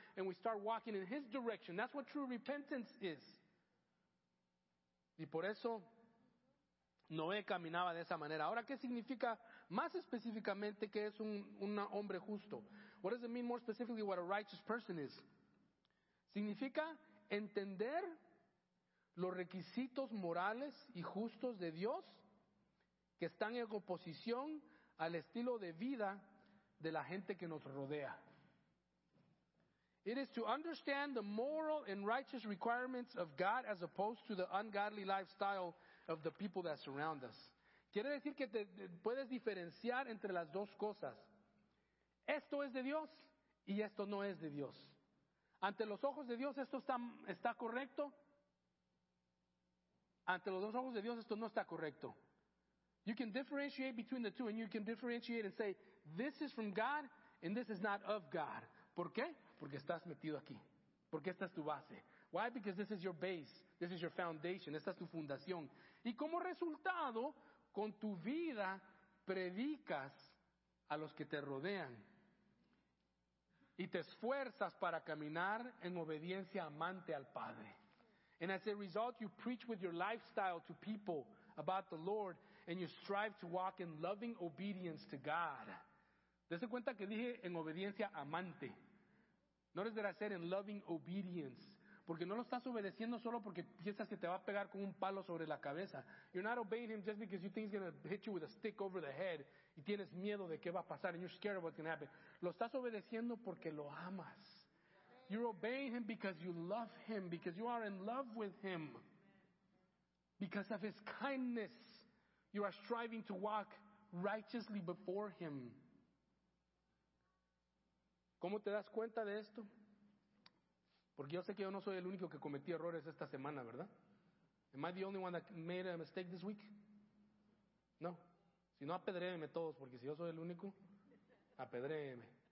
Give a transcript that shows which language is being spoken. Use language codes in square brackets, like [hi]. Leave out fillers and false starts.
[en] And we start walking in his direction. That's what true repentance is. [es] Y por eso Noé caminaba de esa manera. Ahora, ¿qué significa más específicamente que es un hombre justo? [en] What does it mean more specifically what a righteous person is? [es] Significa entender los requisitos morales y justos de Dios que están en oposición al estilo de vida de la gente que nos rodea. [en] It is to understand the moral and righteous requirements of God as opposed to the ungodly lifestyle of the people that surround us. [es] Quiere decir que puedes diferenciar entre las dos cosas. Esto es de Dios y esto no es de Dios. Ante los ojos de Dios esto está correcto. Ante los dos ojos de Dios esto no está correcto. [en] You can differentiate between the two, and you can differentiate and say, this is from God and this is not of God. [es] ¿Por qué? Porque estás metido aquí. Porque esta es tu base. [en] Why? Because this is your base. This is your foundation. [es] Esta es tu fundación. Y como resultado, con tu vida, predicas a los que te rodean. Y te esfuerzas para caminar en obediencia amante al Padre. [en] And as a result, you preach with your lifestyle to people about the Lord. And you strive to walk in loving obedience to God. [es] Dese cuenta que dije en obediencia amante. [en] Notice that I said in loving obedience. [es] Porque no lo estás obedeciendo solo porque piensas que te va a pegar con un palo sobre la cabeza. [en] You're not obeying him just because you think he's going to hit you with a stick over the head. [es] Y tienes miedo de qué va a pasar. [en] And you're scared of what's going to happen. [es] Lo estás obedeciendo porque lo amas. [en] You're obeying him because you love him. Because you are in love with him. Because of his kindness. You are striving to walk righteously before him. [es] ¿Cómo te das cuenta de esto? Porque yo sé que yo no soy el único que cometí errores esta semana, ¿verdad? [en] Am I the only one that made a mistake this week? [es] No. Si no, apedréeme todos, porque si yo soy el único, apedréeme.